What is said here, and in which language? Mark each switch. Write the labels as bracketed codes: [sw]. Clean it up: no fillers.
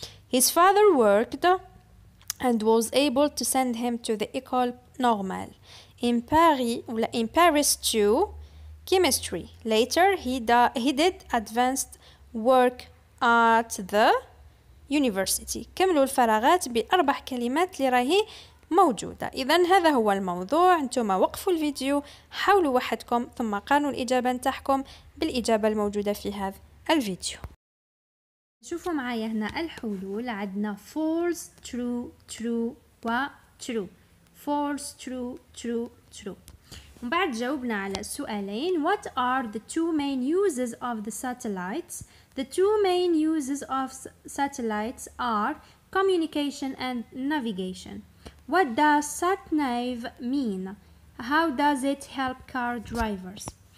[en] His father worked and was able to send him to the École Normale in Paris, [ar] ولا [en] in Paris too, chemistry. Later, he did advanced work at the university. [ar] كملوا الفراغات بأربع كلمات اللي راهي موجودة. إذن هذا هو الموضوع. أنتم وقفوا الفيديو، حاولوا وحدكم، ثم قارنوا الإجابة نتاعكم بالإجابة الموجودة في هذا الفيديو. شوفوا معايا هنا الحلول. عدنا [en] false, true, true و true. False, true, true, true. [ar] ومن بعد جاوبنا على سؤالين. [en] What are the two main uses of the satellites? The two main uses of satellites are communication and navigation. What does sat-nav mean? How does it help car drivers?